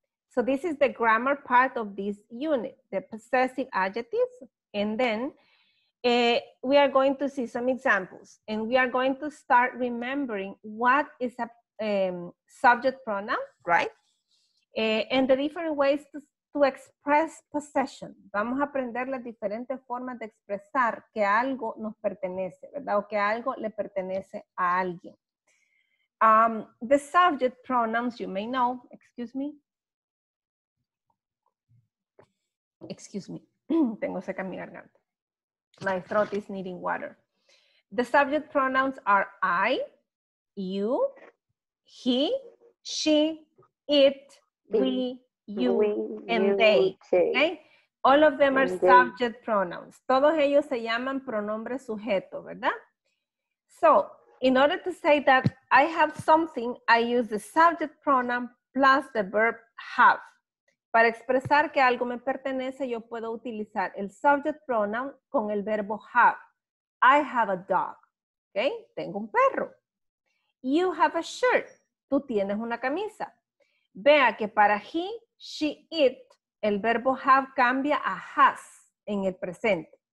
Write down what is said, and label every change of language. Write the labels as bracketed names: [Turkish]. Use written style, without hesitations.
[English] So this is the grammar part of this unit, the possessive adjectives. And then we are going to see some examples and we are going to start remembering what is a subject pronoun, right? And the different ways to express possession. [Spanish] Vamos a aprender las diferentes formas de expresar que algo nos pertenece, ¿verdad? O que algo le pertenece a alguien. [English] The subject pronouns, you may know, excuse me, [Spanish] tengo seca mi garganta. [English] My throat is needing water. The subject pronouns are I, you, he, she, it, we, you, and they. Okay? All of them are subject pronouns. [Spanish] Todos ellos se llaman pronombre sujeto, ¿verdad? [English] So, in order to say that I have something, I use the subject pronoun plus the verb have. [Spanish] Para expresar que algo me pertenece, yo puedo utilizar el subject pronoun con el verbo have. [English] I have a dog. Okay? [Spanish] Tengo un perro. [English] You have a shirt. [Spanish] Tú tienes una camisa. Vea que para he, she, it, el verbo have cambia a has en el presente.